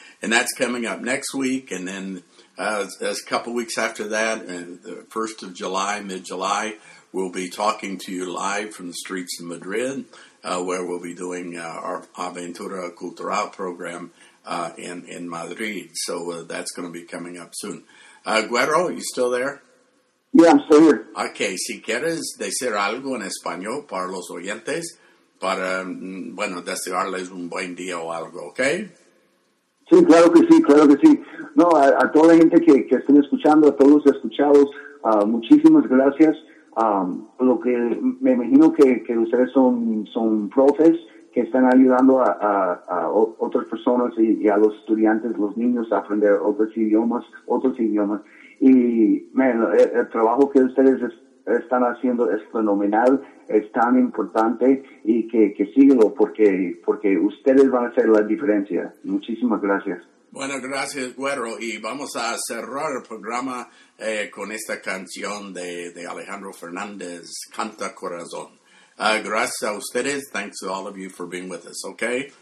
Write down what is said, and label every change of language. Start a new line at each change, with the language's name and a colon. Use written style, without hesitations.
English: And that's coming up next week. And then as a couple weeks after that, the 1st of July, mid-July, we'll be talking to you live from the streets of Madrid, where we'll be doing our Aventura Cultural program in Madrid. So that's going to be coming up soon. Guerrero, are you still there? Yeah, I'm still here.
Spanish: Okay, si quieres decir algo en español para los oyentes, para, bueno, desearles un buen día o algo, okay? Sí, claro que sí, claro que sí. No, a toda la gente que estén escuchando, a todos los escuchados, muchísimas gracias. Lo que me imagino que ustedes son profes que están ayudando a otras personas y a los estudiantes, los niños, a aprender otros idiomas. Y, man, el trabajo que ustedes están haciendo es fenomenal, es tan importante, y que síguelo, porque ustedes van a hacer la diferencia. Muchísimas gracias. Bueno, gracias, Guerrero. Y vamos a cerrar el programa con esta canción de Alejandro Fernández, Canta Corazón. Gracias a ustedes.
English: Thanks to all of you for being with us, okay?